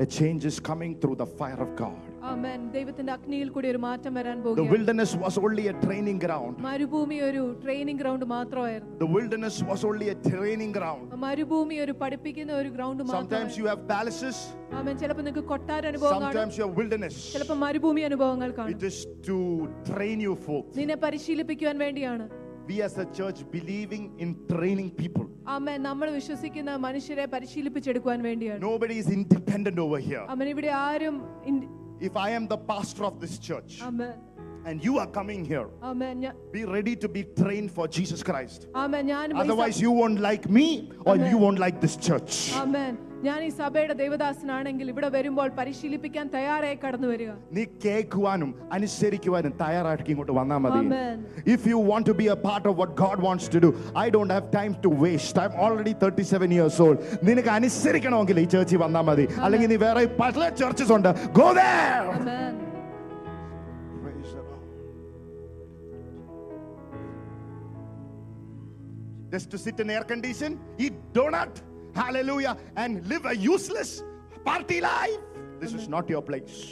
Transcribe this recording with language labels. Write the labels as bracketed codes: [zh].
[en] A change is coming through the fire of God. Amen. [ml] ദൈവത്തിന്റെ അഗ്നിയിൽ കൂടി ഒരു മാറ്റം വരാൻ പോകുകയാണ്. [en] The wilderness was only a training ground. [ml] മരുഭൂമി ഒരു ട്രെയിനിംഗ് ഗ്രൗണ്ട് മാത്രമായിരുന്നു. [en] The wilderness was only a training ground. [ml] മരുഭൂമി ഒരു പഠിപ്പിക്കുന്ന ഒരു ഗ്രൗണ്ട് മാത്രമായിരുന്നു. [en] Sometimes you have palaces. [ml] ആമേൻ ചിലപ്പോൾ നിങ്ങൾക്ക് കൊട്ടാര അനുഭവങ്ങൾ കാണും. [en] Sometimes you have wilderness. [ml] ചിലപ്പോൾ മരുഭൂമി അനുഭവങ്ങൾ കാണും. [en] It is to train you folks. [ml] നിന്നെ പരിശീലിപ്പിക്കാൻ വേണ്ടിയാണ്. [en] We as a church believing in training people. Amen. [ml] നമ്മൾ വിശ്വസിക്കുന്ന മനുഷ്യരെ പരിശീലിപ്പിച്ചെടുക്കാൻ വേണ്ടിയാണ്. [en] Nobody is independent over here. [ml] ആമേൻ ഇവിടെ ആരും [en] If I am the pastor of this church. Amen. and you are coming here, amen, be ready to be trained for Jesus Christ. Amen. Otherwise you won't like me, or amen, you won't like this church. Amen. [ml] ഞാൻ ഈ സഭയുടെ ദൈവദാസനാണെങ്കിൽ ഇവിടെ വരുമ്പോൾ പരിശീലിപ്പിക്കാൻ തയ്യാറായി കടന്നു വരിക. നീ കേൾക്കുവാനും അനുസരിക്കുവാനും തയ്യാറായിട്ട് ഇങ്ങോട്ട് വന്നാൽ മതി. [en] If you want to be a part of what God wants to do, I don't have time to waste. I'm already 37 years old. [ml] നിനക്ക് അനുസരിക്കണമെങ്കിൽ ഈ ചർച്ചിൽ വന്നാൽ മതി. അല്ലെങ്കിൽ നീ വേറെ പല ചർച്ചസ് ഉണ്ട്. [en] Go there. Amen. Just to sit in air condition, eat donut. Hallelujah, and live a useless party life. This is not your place.